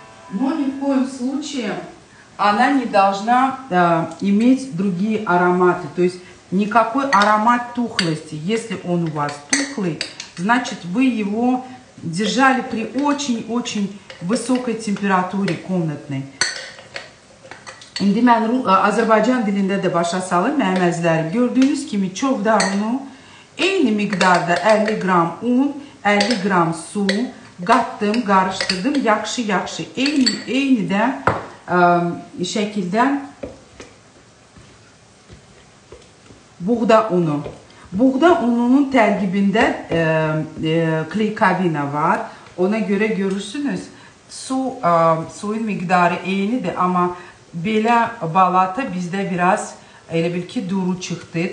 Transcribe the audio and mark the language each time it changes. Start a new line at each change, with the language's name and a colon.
Russian: Но ни в коем случае она не должна иметь другие ароматы. То есть никакой аромат тухлости. Если он у вас тухлый, значит, вы его держали при очень-очень высокой температуре комнатной.
Azerbaijani: Инди мен азербайджан дилинде де баша салым, мәмәзләр. Gördüğünüz gibi çovdarını eyni miqdarda 50 gram un, 50 gram su qattım, qarışdırdım. Yaxşı-yaxşı, eyni də şəkildə buğda unu. Buğda ununun tərkibində klikavina var. Ona görə görürsünüz, suyun miqdarı eynidir, amma belə balata bizdə biraz elə bil ki, duru çıxdı.